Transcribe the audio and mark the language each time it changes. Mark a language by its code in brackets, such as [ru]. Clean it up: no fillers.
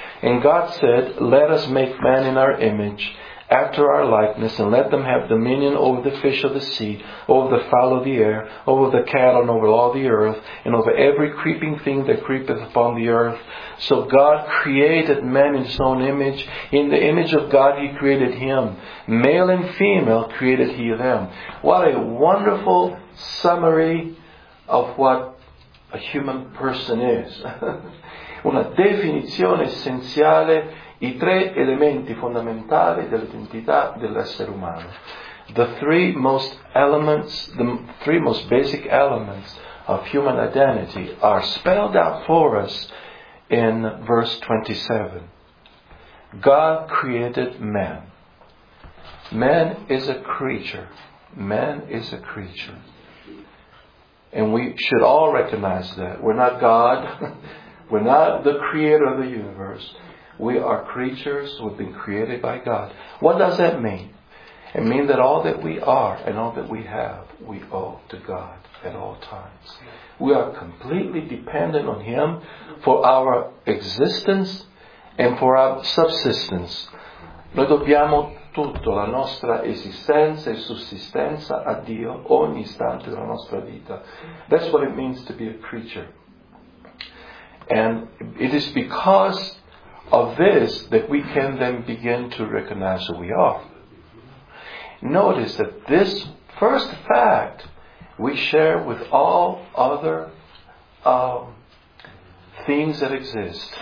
[en] And God said, "Let us make man in our image, after our likeness, and let them have dominion over the fish of the sea, over the fowl of the air, over the cattle, and over all the earth, and over every creeping thing that creepeth upon the earth." So God created man in His own image. In the image of God He created him. Male and female created He them. What a wonderful summary of what a human person is. [it] Una definizione essenziale, i tre elementi fondamentali dell'identità dell'essere umano. [en] The three most elements, the three most basic elements of human identity are spelled out for us in verse 27. God created man. Man is a creature. Man is a creature. And we should all recognize that. We're not God. We're not the creator of the universe. We are creatures who have been created by God. What does that mean? It means that all that we are and all that we have, we owe to God at all times. We are completely dependent on Him for our existence and for our subsistence. [it] Noi dobbiamo tutto, la nostra esistenza e sussistenza a Dio ogni istante della nostra vita. [en] That's what it means to be a creature. And it is because of this that we can then begin to recognize who we are. Notice that this first fact we share with all other things that exist.